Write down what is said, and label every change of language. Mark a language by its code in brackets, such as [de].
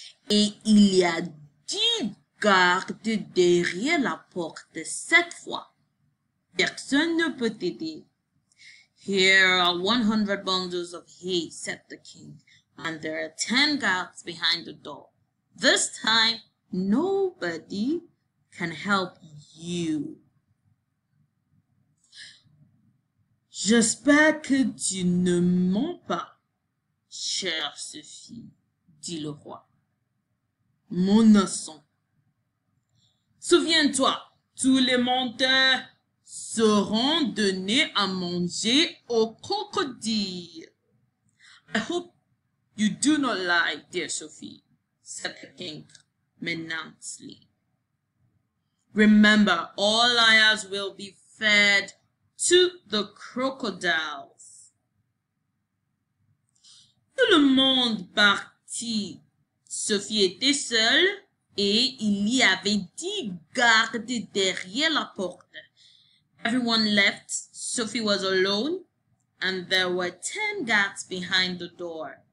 [fr] Et il y a 10 gardes derrière la porte cette fois. Personne ne peut t'aider. [en] Here are 100 bundles of hay, said the king, and there are 10 guards behind the door. This time, nobody can help you. [fr] J'espère que tu ne mens pas, chère Sophie, dit le roi. Mon enfant. Souviens-toi, tous les menteurs seront donnés à manger aux crocodiles. [en] I hope you do not lie, dear Sophie, said the king, menacingly. Remember, all liars will be fed to the crocodiles. [fr] Tout le monde partit. Sophie était seule et il y avait 10 gardes derrière la porte. [en] Everyone left. Sophie was alone, and there were 10 guards behind the door.